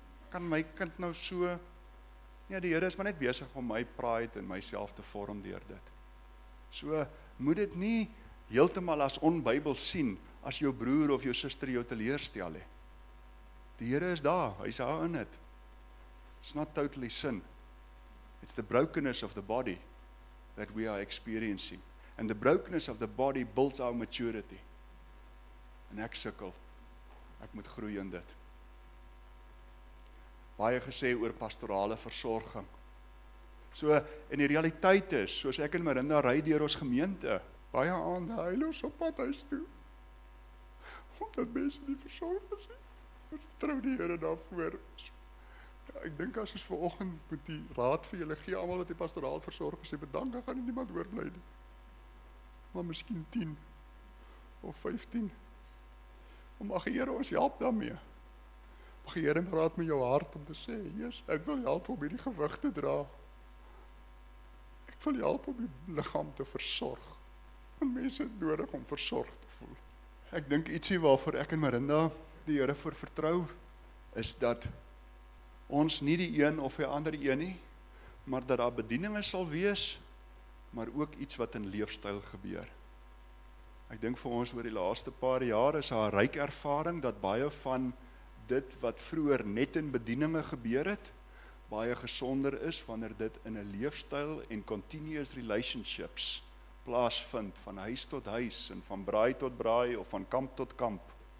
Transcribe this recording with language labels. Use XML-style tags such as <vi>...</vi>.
<af>Kan my kind nou so, ja die Here is maar net besig om my pride en myself te vorm deur dit. So moet dit nie heeltemal as onbybel sien as jou broer of jou suster jou teleerstel nie. Die Here is daar, hy is daar in het.</af> <en>It's not totally sin. It's the brokenness of the body that we are experiencing. And the brokenness of the body builds our maturity.</en> <af>En ek sukkel, ek moet groei in dit. Baie gesê oor pastorale versorging. So, en die realiteit is, soos ek en Marinda ry deur ons gemeente, baie aande huil ons op pad huis toe. Omdat mense nie versorg is. Ons vertrou die Here daarvoor. So, ja, ek dink as ons vanoggend moet die raad vir julle gee, almal wat die pastoraal versorg is, bedank, dan gaan nie niemand oorbly nie. Maar miskien 10 of 15. Maar mag die Here ons help daarmee. Mag die Here raad met jou hart om te sê, Jesus, ek wil help om hierdie gewig te dra. Ek wil help om die liggaam te versorg. En mense het nodig om versorg te voel. Ek dink ietsie waarvoor ek en Marinda die Here voor vertrou, is dat ons nie die een of die ander een nie, maar dat daar bedieninge sal wees, maar ook iets wat in leefstyl gebeur. Ek dink vir ons oor die laaste paar jaar is daar 'n ryk ervaring dat baie van dit wat vroeger net in bedieninge gebeur het, baie gesonder is wanneer dit in 'n leefstyl en</af> <en>continuous relationships</en> <af>plaasvind van huis tot huis en van braai tot braai of van kamp tot kamp.</af>